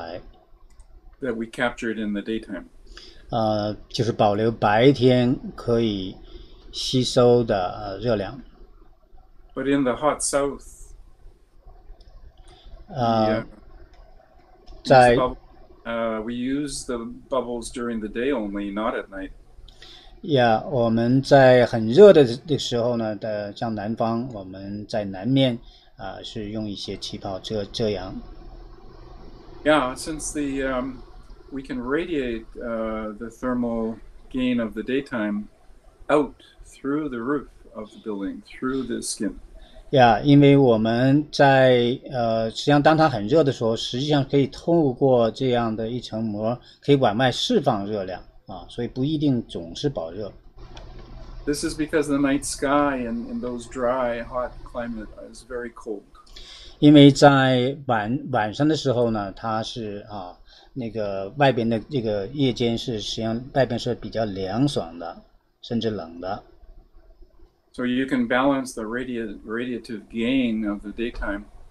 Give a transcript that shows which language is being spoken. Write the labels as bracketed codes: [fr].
[zh] 这样的话，我们可以去把这个吸收的热量把它保留下来。 [en] That we captured in the daytime. [zh] 就是保留白天可以吸收的热量。 [en] But in the hot south, we use the bubbles during the day only, not at night. [zh] Yeah, 我们在很热的时候呢，像南方，我们在南面是用一些气泡遮阳。Yeah, [en] since the we can radiate the thermal gain of the daytime out through the roof of the building, through the skin. [zh] Yeah, 因为我们在实际上当它很热的时候，实际上可以透过这样的一层膜，可以往外释放热量，所以不一定总是保热。This [en] is because the night sky in those dry, hot climate is very cold. [zh] 因为在晚上的时候呢，它是。那个外边的这个夜间是实际上外边是比较凉爽的，甚至冷的。 [en] So you can balance the radiative gain of the daytime.